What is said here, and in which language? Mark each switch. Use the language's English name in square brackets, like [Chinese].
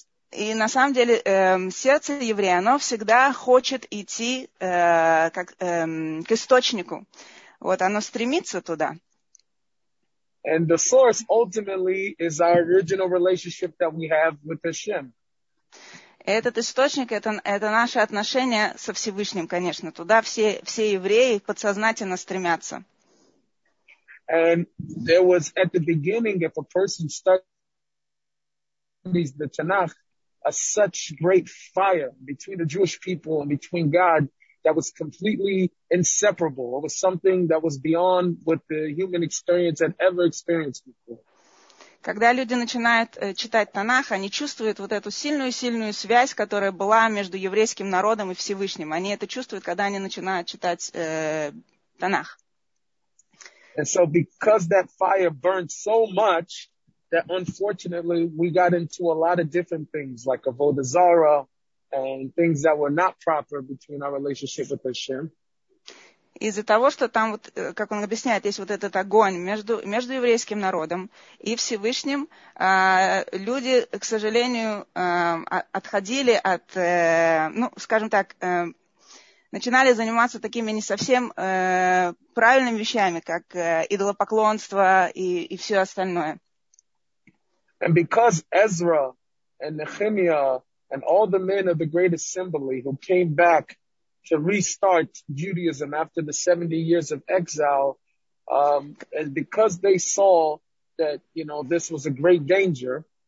[Russian] И на самом деле сердце еврея, оно всегда хочет идти к источнику. Вот оно стремится туда. [English] And the source ultimately is our original relationship that we have with Hashem. [Russian] Этот источник это наше отношение со Всевышним, конечно. Туда все евреи подсознательно стремятся. [English] And there was at the beginning, if a person studies the Tanakh, a such great fire between the Jewish people and between God that was completely inseparable. It was something that was beyond what the human experience had ever experienced before. [Russian] Когда люди начинают читать Танах, они чувствуют вот эту сильную-сильную связь, которая была между еврейским народом и Всевышним. Они это чувствуют, когда они начинают читать Танах. [English] And so because that fire burned so much, that unfortunately we got into a lot of different things, like Avodah Zarah, and things that were not proper between our relationship with Hashem. [Russian] Из-за того, что там, вот, как он объясняет, есть вот этот огонь между еврейским народом и Всевышним, люди, к сожалению, отходили от, ну, скажем так, начинали заниматься такими не совсем правильными вещами, как идолопоклонство и все остальное. [English] And because Ezra and Nehemiah and all the men of the great assembly who came back to restart Judaism after the 70 years of exile, and because they saw that, you know, this was a great danger.